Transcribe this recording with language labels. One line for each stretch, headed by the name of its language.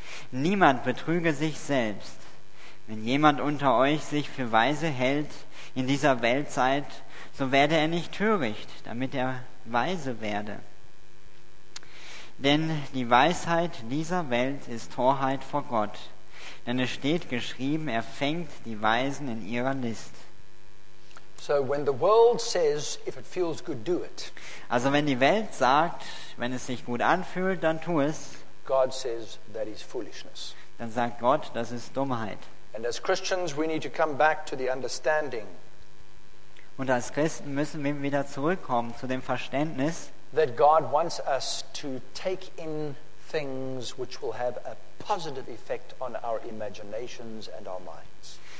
German: Niemand betrüge sich selbst. Wenn jemand unter euch sich für weise hält in dieser Weltzeit, so werde er nicht töricht, damit er weise werde. Denn die Weisheit dieser Welt ist Torheit vor Gott. Denn es steht geschrieben, er fängt die Weisen in ihrer List.
English: So when the world says, if it feels good, do it.
German: Also wenn die Welt sagt, wenn es sich gut anfühlt, dann tu es.
English: God says that is foolishness.
German: Dann sagt Gott, das ist Dummheit.
English: And as Christians we need to come back to the understanding.
German: Und als Christen müssen wir wieder zurückkommen zu dem Verständnis,
English: that God wants us to take in things which will have a positive effect on our imaginations and our minds.